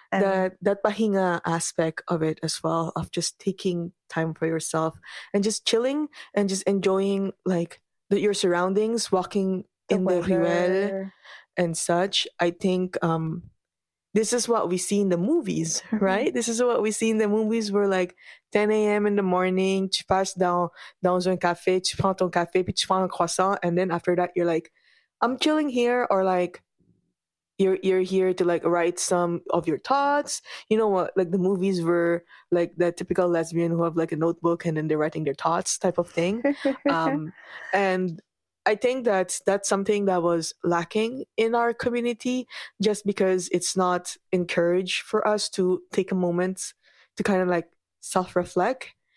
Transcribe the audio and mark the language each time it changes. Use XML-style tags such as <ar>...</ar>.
<en>And that pahinga aspect of it as well, of just taking time for yourself and just chilling and just enjoying like your surroundings, walking in the Ruelle and such. I think this is what we see in the movies, right? This is what we see in the movies where like 10 a.m. in the morning,</en> <fr>tu passes dans un café, tu prends ton café, puis tu prends un croissant.</fr> <en>And then after that, you're like, I'm chilling here. Or like, you're here to like write some of your thoughts. You know what? Like the movies were like the typical lesbian who have like a notebook and then they're writing their thoughts type of thing. And I think that's something that was lacking in our community, just because it's not encouraged for us to take a moment to kind of like self-reflect.</en>